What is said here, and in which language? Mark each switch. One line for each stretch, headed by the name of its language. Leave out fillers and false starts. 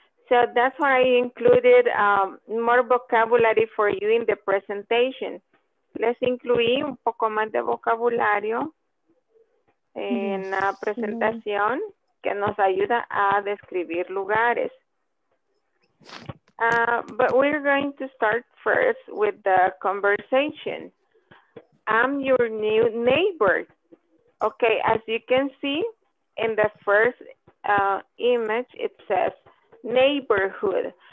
English: So that's why I included more vocabulary for you in the presentation.
Spanish: Les incluí un poco más de vocabulario en la presentación que nos ayuda a describir lugares.
English: But we're going to start first with the conversation. I'm your new neighbor. Okay, as you can see in the first image, it says neighborhood.